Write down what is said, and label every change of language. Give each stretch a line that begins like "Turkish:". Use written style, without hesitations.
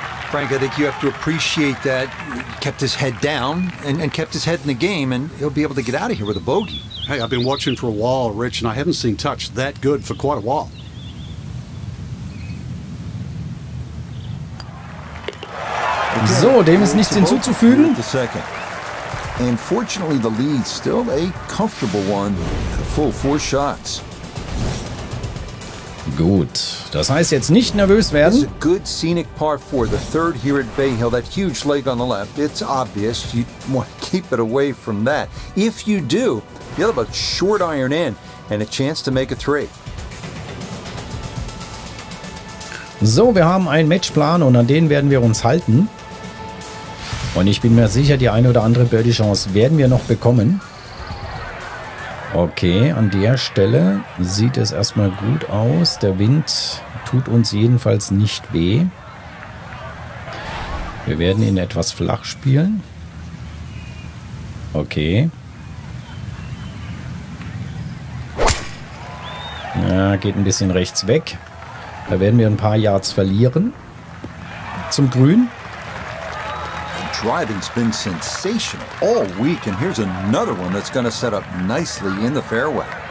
English: Frank, I think you have to appreciate that. He kept his head down and kept his head in the game, and he'll be able to get out of here with a bogey. Hey, I've been watching for a while, Rich, and I haven't seen touch that good for quite a while.
German: So, dem ist nichts hinzuzufügen.
English: And fortunately, the lead still a comfortable one. Full 4 shots.
German: Gut, das heißt jetzt nicht nervös werden.
English: It's a good scenic par 4, the third here at Bay Hill, that huge lake on the left. It's obvious you want to keep it away from that. If you do, you'll have a short iron in and a chance to make a 3.
German: So, wir haben einen Matchplan und an den werden wir uns halten. Und ich bin mir sicher, die eine oder andere Birdie-Chance werden wir noch bekommen. Okay, an der Stelle sieht es erstmal gut aus. Der Wind tut uns jedenfalls nicht weh. Wir werden ihn etwas flach spielen. Okay. Ja, geht ein bisschen rechts weg. Da werden wir ein paar Yards verlieren. Zum Grün.
English: Driving's been sensational all week, and here's another one that's going to set up nicely in the fairway.